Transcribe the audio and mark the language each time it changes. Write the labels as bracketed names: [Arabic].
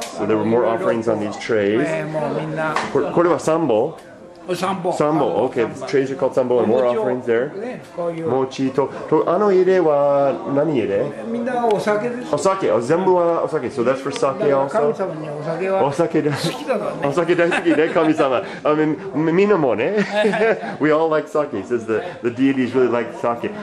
[English] So there were more offerings on these trays. [Japanese] もうみんな。これはサンボ？サンボ。サンボ。 [English] Okay, the trays are called サンボ and more offerings there. [Japanese] もちと、あの入れは何入れ？みんなお酒です。お酒。全部はお酒。 [English] So that's for sake also. [Japanese] 神様にお酒は。お酒好きだからね。お酒大好きね、神様。 [English] I mean, [Japanese] みんなもね。 [English] We all like sake. He says the deities really like sake.